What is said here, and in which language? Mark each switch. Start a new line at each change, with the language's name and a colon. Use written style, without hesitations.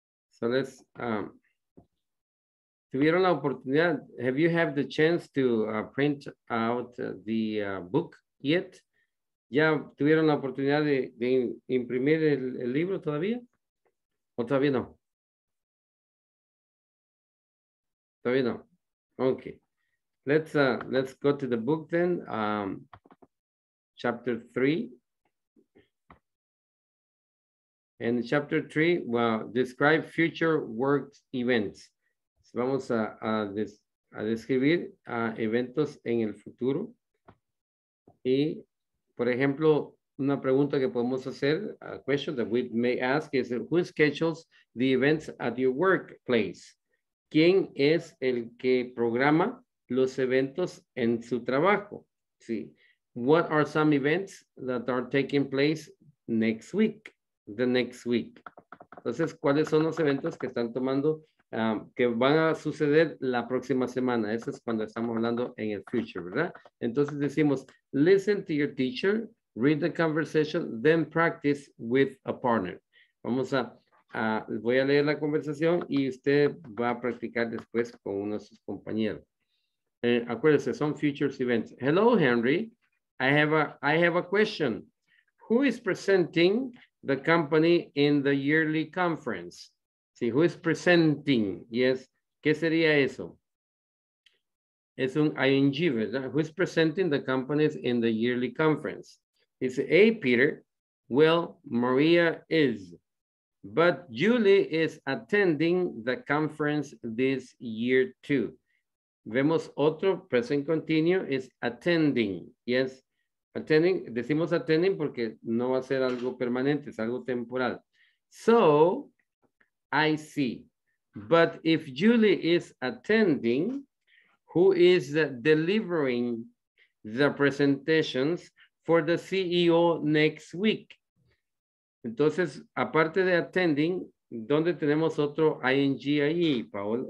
English: So let's,
Spanish: tuvieron la oportunidad,
English: have you had the chance to print out the book yet?
Spanish: ¿Ya tuvieron la oportunidad de imprimir el libro todavía? ¿O todavía no? Todavía no.
English: Okay, let's go to the book then, chapter 3. And chapter 3, well, describe future work events. So
Spanish: vamos a describir eventos en el futuro. Y, por ejemplo, una pregunta que podemos hacer,
English: a question that we may ask is, who schedules the events at your workplace?
Spanish: ¿Quién es el que programa los eventos en su trabajo? Sí.
English: What are some events that are taking place next week? The next week.
Spanish: Entonces, ¿cuáles son los eventos que están tomando, que van a suceder la próxima semana? Eso es cuando estamos hablando en el future, ¿verdad? Entonces decimos,
English: listen to your teacher, read the conversation, then practice with a partner.
Spanish: Vamos a... voy a leer la conversación y usted va a practicar después con uno de sus compañeros. Acuérdese, son
English: future events. Hello, Henry. I have a question. Who is presenting the company in the yearly conference? Sí, who is presenting? Yes.
Spanish: ¿Qué sería eso? Es un ING, ¿verdad?
English: Who is presenting the companies in the yearly conference? It's A, Peter. Well, Maria is. But Julie is attending the conference this year too.
Spanish: Vemos otro present continuo
English: is attending.
Spanish: Yes, attending. Decimos attending porque no va a ser algo permanente, es algo temporal.
English: So, I see. But if Julie is attending, who is delivering the presentations for the CEO next week?
Spanish: Entonces, aparte de attending, ¿dónde tenemos otro ing ahí, Paul?